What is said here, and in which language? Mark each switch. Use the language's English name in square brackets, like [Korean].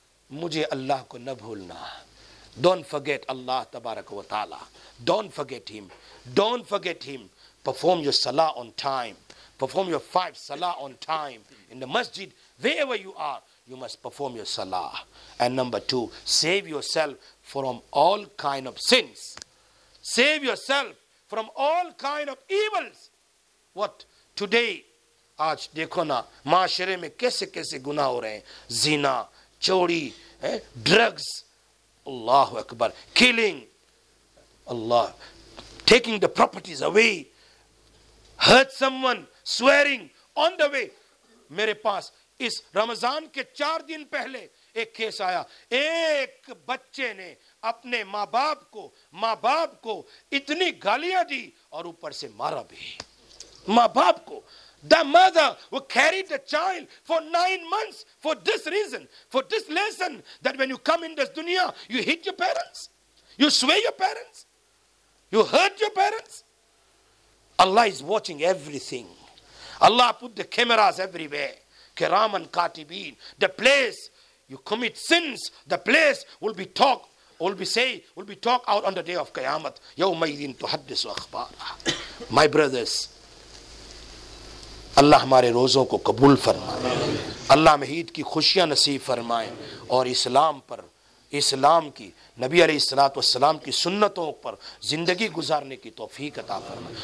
[Urdu] مجھے اللہ کو نہ بھولنا. [English] Don't forget Allah تبارک و تعالی. Don't forget him. Don't forget him. Perform your salah on time. Perform your 5 salah on time. In the masjid, wherever you are, you must perform your salah. And number 2, save yourself from all kind of sins. Save yourself from all kind of evils. What? [Urdu] Today, آج دیکھو نا معاشرے میں کیسے کیسے گناہ ہو رہے ہیں, زنا, چوری, drugs, Allah Akbar, killing, Allah, [English] Taking the properties away, hurt someone, swearing on the way. [Urdu] میرے پاس اس رمضان کے 4 دن پہلے ایک کیس آیا, ایک بچے نے اپنے ماں باپ کو اتنی گالیاں دی اور اوپر سے مارا بھی ماں باپ کو. [English] The mother who carried the child for 9 months for this reason, for this lesson, that when you come in this dunya, you hit your parents, you swear your parents, you hurt your parents. Allah is watching everything. Allah put the cameras everywhere. Kiraman katibin. The place you commit sins, the place will be talked, will be talked out on the day of Qiyamah. [Arabic] Yawma idhin tuhaddisu akhbara. [English] My brothers, [Urdu] اللہ ہمارے روزوں کو قبول فرمائے, اللہ ہمیں عید کی خوشیاں نصیب فرمائے, اور اسلام پر, اسلام کی, نبی علیہ الصلوۃ والسلام کی سنتوں پر زندگی گزارنے کی توفیق عطا فرمائے.